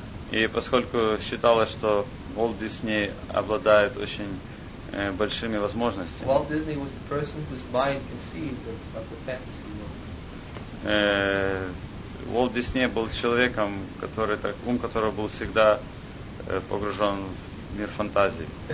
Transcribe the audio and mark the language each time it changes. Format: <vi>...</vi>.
<ru>И поскольку считалось, что Walt Disney обладает очень большими возможностями.</ru> <en>Walt Disney was the person whose mind conceived of the fantasy world.</en> <ru>Уолт Дисней был человеком, который так ум которого был всегда погружен в мир фантазии.</ru>